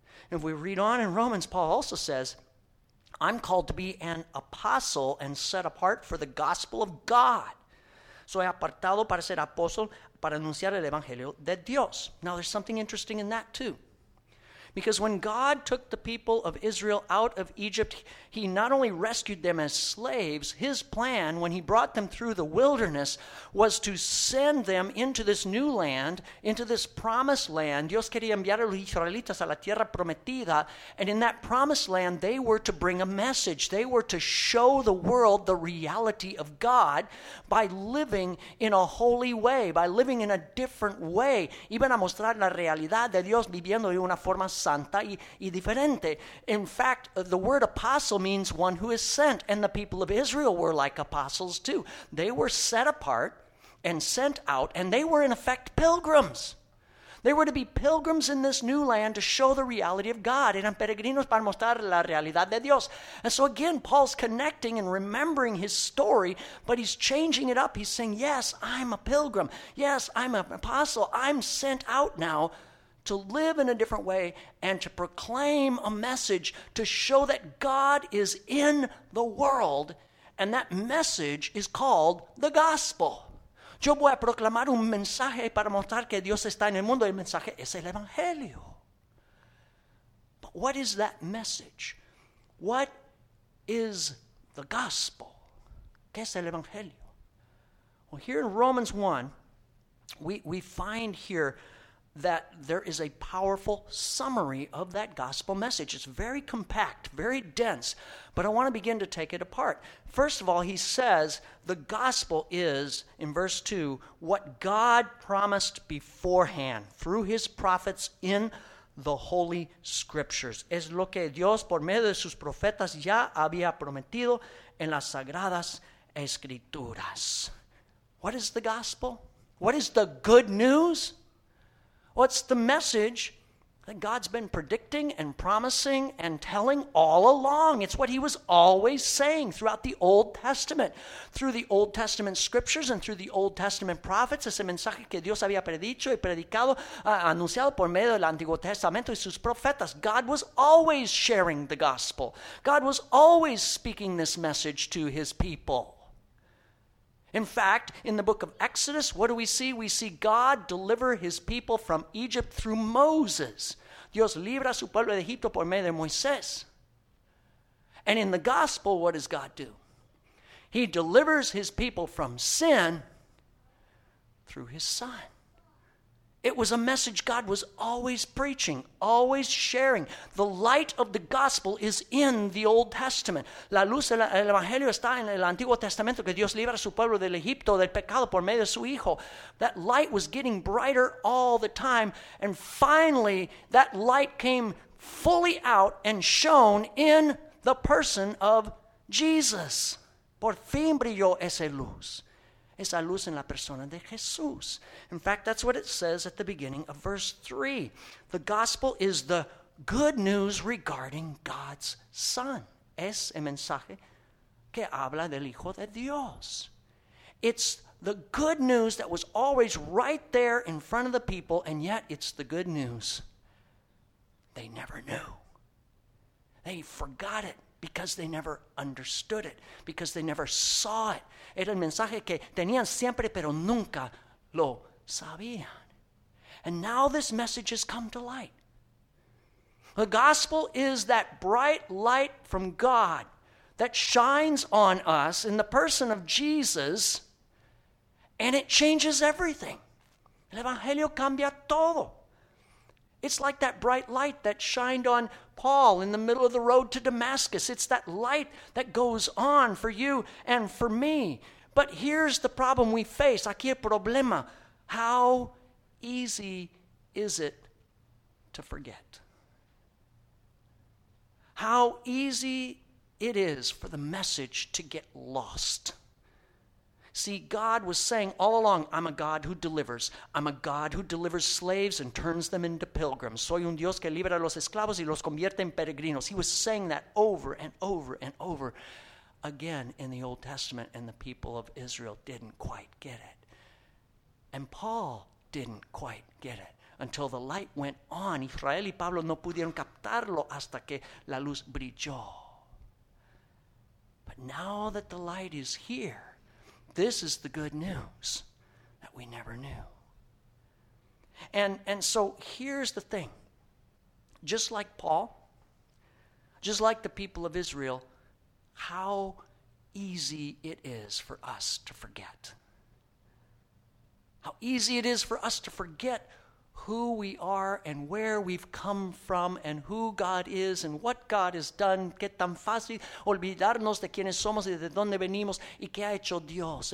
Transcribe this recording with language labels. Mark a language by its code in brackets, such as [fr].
[en] And if we read on in Romans, Paul also says, I'm called to be an apostle and set apart for the gospel of God. [es] Soy apartado para ser apóstol, para anunciar el evangelio de Dios. [en] Now, there's something interesting in that, too. Because when God took the people of Israel out of Egypt, he not only rescued them as slaves, his plan, when he brought them through the wilderness, was to send them into this new land, into this promised land. [es] Dios quería enviar a los israelitas a la tierra prometida. [en] And in that promised land, they were to bring a message. They were to show the world the reality of God by living in a holy way, by living in a different way. [es] Iban a mostrar la realidad de Dios viviendo de una forma santa y diferente. [en] In fact, the word apostle means one who is sent, and the people of Israel were like apostles too. They were set apart and sent out, and they were in effect pilgrims. They were to be pilgrims in this new land to show the reality of God. [es] Eran peregrinos para mostrar la realidad de Dios. [en] And so again, Paul's connecting and remembering his story, but he's changing it up. He's saying, yes, I'm a pilgrim. Yes, I'm an apostle. I'm sent out now to live in a different way and to proclaim a message to show that God is in the world, and that message is called the gospel. [es] Yo voy a proclamar un mensaje para mostrar que Dios está en el mundo. El mensaje es el evangelio. [en] But what is that message? What is the gospel? [es] ¿Qué es el evangelio? [en] Well, here in Romans 1, we find here that there is a powerful summary of that gospel message. It's very compact, very dense, but I want to begin to take it apart. First of all, he says the gospel is, in verse 2, what God promised beforehand through his prophets in the Holy Scriptures. [es] Es lo que Dios por medio de sus profetas ya había prometido en las Sagradas Escrituras. [en] What is the gospel? What is the good news? What's the message that God's been predicting and promising and telling all along? It's what he was always saying throughout the Old Testament. Through the Old Testament scriptures and through the Old Testament prophets, [es] ese mensaje que Dios había predicho y predicado, anunciado por medio del Antiguo Testamento y sus profetas. [en] God was always sharing the gospel. God was always speaking this message to his people. In fact, in the book of Exodus, what do we see? We see God deliver his people from Egypt through Moses. [es] Dios libra a su pueblo de Egipto por medio de Moisés. [en] And in the gospel, what does God do? He delivers his people from sin through his son. It was a message God was always preaching, always sharing. The light of the gospel is in the Old Testament. [es] La luz del Evangelio está en el Antiguo Testamento, que Dios libra a su pueblo del Egipto, del pecado por medio de su Hijo. [en] That light was getting brighter all the time, and finally, that light came fully out and shone in the person of Jesus. [es] Por fin brilló esa luz. Esa luz en la persona de Jesús. [en] In fact, that's what it says at the beginning of verse 3. The gospel is the good news regarding God's Son. [es] Es el mensaje que habla del Hijo de Dios. [en] It's the good news that was always right there in front of the people, and yet it's the good news they never knew. They forgot it. Because they never understood it. Because they never saw it. [es] Era el mensaje que tenían siempre, pero nunca lo sabían. [en] And now this message has come to light. The gospel is that bright light from God that shines on us in the person of Jesus, and it changes everything. [es] El Evangelio cambia todo. [en] It's like that bright light that shined on Paul in the middle of the road to Damascus. It's that light that goes on for you and for me. But here's the problem we face. [es] Aquí el problema. [en] How easy is it to forget? How easy it is for the message to get lost. See, God was saying all along, I'm a God who delivers. I'm a God who delivers slaves and turns them into pilgrims. [es] Soy un Dios que libera a los esclavos y los convierte en peregrinos. [en] He was saying that over and over and over again in the Old Testament, and the people of Israel didn't quite get it. And Paul didn't quite get it until the light went on. [es] Israel y Pablo no pudieron captarlo hasta que la luz brilló. [en] But now that the light is here, this is the good news that we never knew. And so here's the thing. Just like Paul, just like the people of Israel, how easy it is for us to forget. How easy it is for us to forget who we are and where we've come from and who God is and what God has done. [es] Qué tan fácil olvidarnos de quiénes somos y de dónde venimos y qué ha hecho Dios.